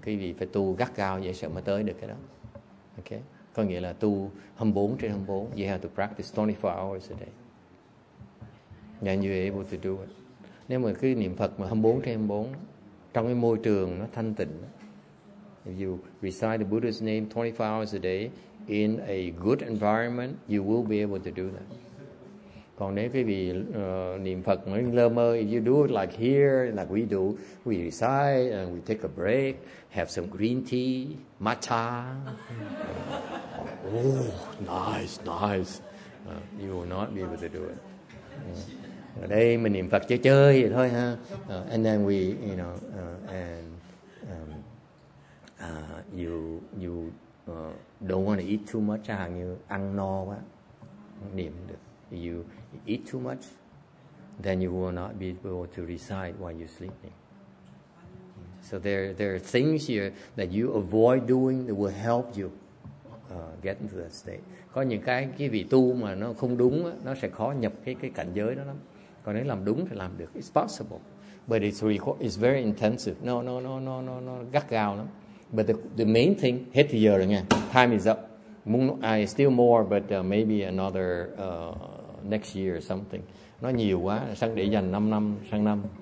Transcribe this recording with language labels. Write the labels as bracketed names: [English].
[Vietnamese] Quý vị phải tu gắt gao vậy sợ mới tới được cái đó. [English] Okay. [Vietnamese] Có nghĩa là tu 24/24. [English] You have to practice 24 hours a day. Then you are able to do it. [Vietnamese] Nếu mà cứ niệm Phật mà 24/24 trong cái môi trường nó thanh tịnh. [English] If you recite the Buddha's name 24 hours a day in a good environment, you will be able to do that. [Vietnamese] Còn nếu quý vị niệm Phật mà lơ mơ, [English] if you do it like here, like we do, we recite and we take a break, have some green tea, matcha. Oh, nice, nice. You will not be able to do it. [Vietnamese] Ở đây mình niệm Phật chơi chơi vậy thôi ha. [English] And then we, you know, you don't want to eat too much. [Vietnamese] Chẳng hạn như ăn no quá, niệm được. [English] You eat too much, then you will not be able to recite while you're sleeping. So there are things here that you avoid doing that will help you get into that state. [Vietnamese] Có những cái vị tu mà nó không đúng, nó sẽ khó nhập cái cảnh giới đó lắm. Còn nếu làm đúng thì làm được. [English] It's possible, but it's very intensive. [Vietnamese] No, gắt gao lắm. [English] But the main thing, [Vietnamese] hết giờ rồi nha. [English] Time is up. I still more, but maybe another next year or something. [Vietnamese] Nó nhiều quá, sang để dành 5 năm sang năm.